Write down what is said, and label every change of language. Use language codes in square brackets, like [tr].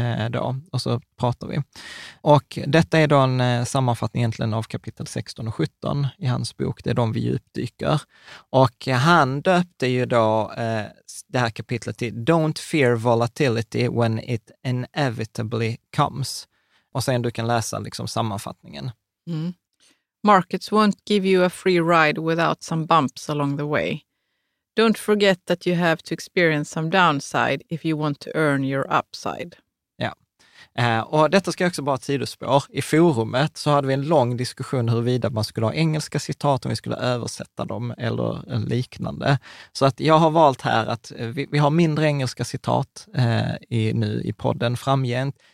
[sv] Då, och så pratar vi. Och detta är då en sammanfattning egentligen av kapitel 16 och 17 i hans bok, det är de vi djupdyker. Och han döpte ju då det här kapitlet till [en] Don't fear volatility when it inevitably comes. [sv] Och sen du kan läsa liksom sammanfattningen. [en] Markets won't give you a free ride without some bumps along the way. Don't forget that you have to experience some downside if you want to earn your upside. [sv] Och detta ska jag också bara tidsspår. I forumet så hade vi en lång diskussion huruvida man skulle ha engelska citat om vi skulle översätta dem eller liknande. Så att jag har valt här att vi har mindre engelska citat nu i podden framgent.